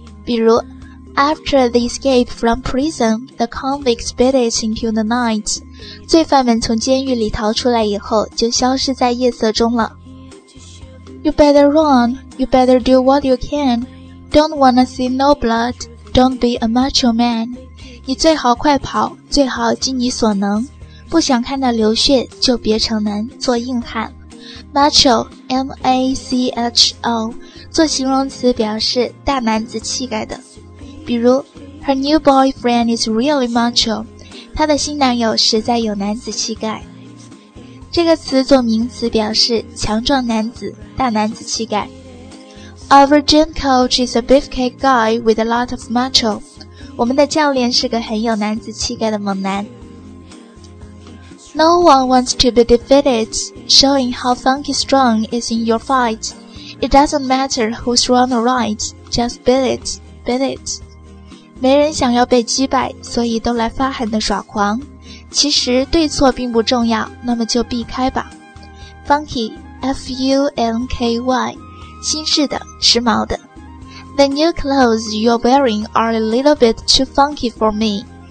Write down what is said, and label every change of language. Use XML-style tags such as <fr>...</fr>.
<zh>比如</zh> <en>After the escape from prison, the convicts beat it into the night.</en> <zh>罪犯们从监狱里逃出来以后，就消失在夜色中了。</zh> <en>You better run, you better do what you can. Don't wanna see no blood, don't be a macho man.</en> <zh>你最好快跑，最好尽你所能。不想看到流血，就别逞能，做硬汉。 Macho, M-A-C-H-O, 做形容词表示大男子气概的。比如</zh> <en>Her new boyfriend is really macho.</en> <zh>她的新男友实在有男子气概。这个词做名词表示强壮男子、大男子气概。</zh> <en>Our gym coach is a beefcake guy with a lot of macho.</en> <zh>我们的教练是个很有男子气概的猛男。</zh> <en>No one wants to be defeated. Showing how funky strong is in your fight. It doesn't matter who's wrong or right. Just beat it, beat it.</en> <zh>没人想要被击败，所以都来发狠的耍狂。其实对错并不重要，那么就避开吧。 Funky, F-U-N-K-Y, 新式的、时髦的。</zh> <en>The new clothes you're wearing are a little bit too funky for me.</en>